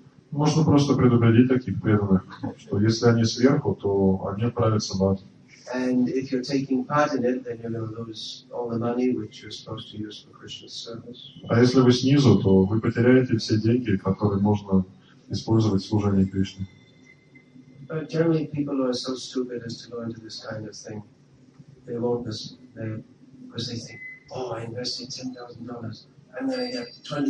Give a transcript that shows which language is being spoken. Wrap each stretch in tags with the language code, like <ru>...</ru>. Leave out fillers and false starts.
<ru>Можно просто предупредить таких преданных, что если они сверху, то они отправятся в ад.</ru> <en>And if you're taking part in it, then you're going to lose all the money which you're supposed to use for Krishna's service.</en> <ru>А если вы снизу, то вы потеряете все деньги, которые можно использовать в служении Кришне.</ru> <en>But generally, people are so stupid as to go into this kind of thing. They won't, because they think, oh, I invested $10,000.</en>